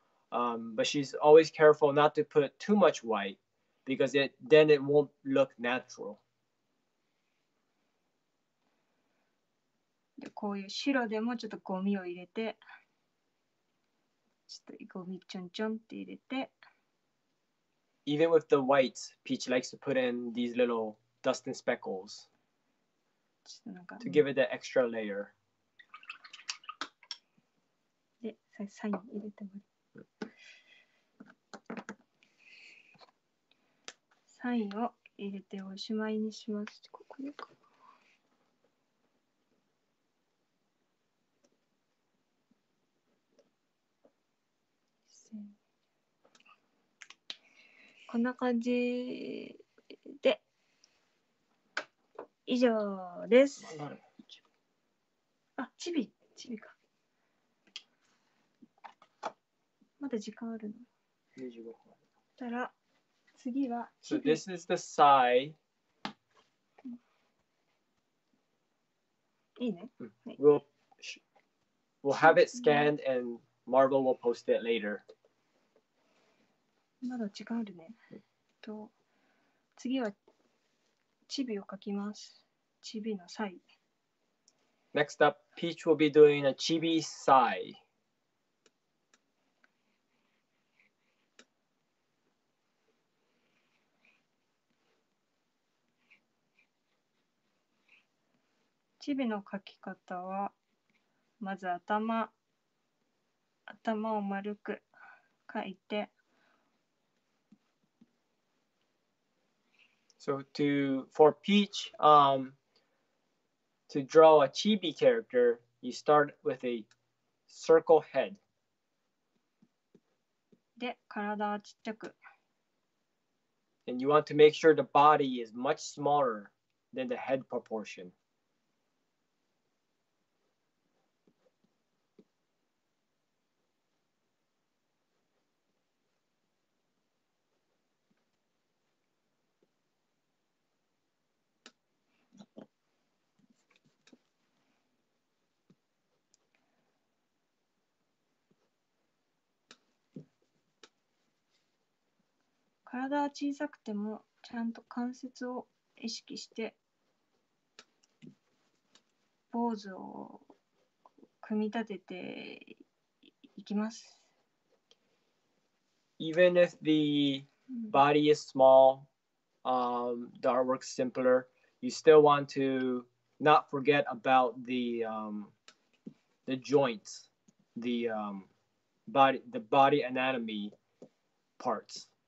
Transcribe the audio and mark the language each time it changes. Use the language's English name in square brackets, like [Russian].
[English] But she's always careful not to put too much white because then it won't look natural. [Japanese] で、こういう白でもちょっとゴミを入れて、ちょっとゴミちょんちょんって入れて。 Even with the white, Peach likes to put in these little dust and speckles to give it that extra layer. で、サイン入れてもらう。サインを入れておしまいにします。ここよく。こんな感じで以上です。あ、チビ、チビか。まだ時間あるの。 25分。たら。次は、 [English] so this is the Psy. [Japanese] いいね。 [English] We'll have it scanned and Marvel will post it later. [Japanese] まだ違うね。と、次はチビを描きます。チビのサイ。 [English] Next up, Peach will be doing a chibi Psy. [Japanese] チビの描き方は、まず頭を丸く描いて。 [English] So for Peach, to draw a chibi character, you start with a circle head. [Japanese] で、体はちっちゃく。 [English] And you want to make sure the body is much smaller than the head proportion. [Japanese] 体は小さくても、ちゃんと関節を意識して、ポーズを組み立てていきます。 [English] Even if the body is small, the artwork's simpler, you still want to not forget about the joints, the body anatomy parts.